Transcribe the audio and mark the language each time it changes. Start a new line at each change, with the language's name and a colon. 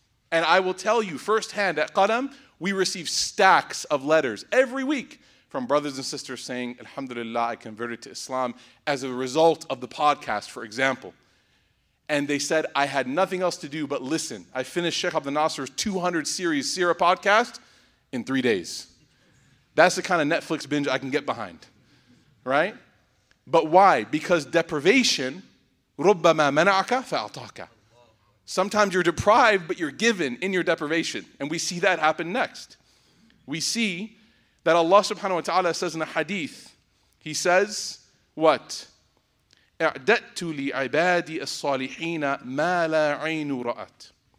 English: And I will tell you firsthand, at Qadam, we receive stacks of letters every week from brothers and sisters saying, Alhamdulillah, I converted to Islam as a result of the podcast, for example. And they said, I had nothing else to do but listen. I finished Sheikh Abdul Nasser's 200 series Sirah podcast in 3 days. That's the kind of Netflix binge I can get behind, right? But why? Because deprivation,
Arabic: رُبَّمَا مَنَعَكَ فَأَعْطَاكَ.
English: Sometimes you're deprived, but you're given in your deprivation. And we see that happen next. We see that Allah subhanahu wa ta'ala says in a hadith, he says, what?
Arabic: اَعْدَتُ لِعِبَادِي الصَّالِحِينَ مَا لَا عَيْنُ رَأَتْ.